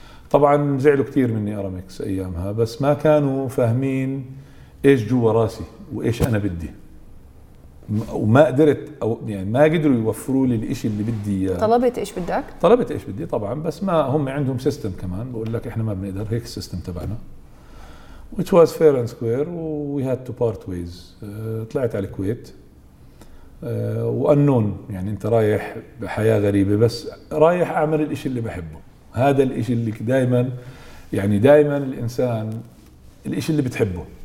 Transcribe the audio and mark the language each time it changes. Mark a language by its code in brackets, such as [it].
[ar] طبعا زعلوا كتير مني أراميكس أيامها، بس ما كانوا فاهمين إيش جوا راسي وإيش أنا بدي، وما قدرت أو يعني ما قدروا يوفروا لي الإشي اللي بدي. طلبت إيش بدك؟ طلبت إيش بدي طبعا، بس ما هم عندهم سيستم كمان بقول لك إحنا ما بنقدر، هيك السيستم تبعنا. [en] It was fair and square we had to part ways. [ar] طلعت على الكويت وأنون، يعني أنت رايح بحياة غريبة بس رايح أعمل الإشي اللي بحبه، هذا الإشي اللي دائما، يعني دائما الإنسان الإشي اللي بتحبه.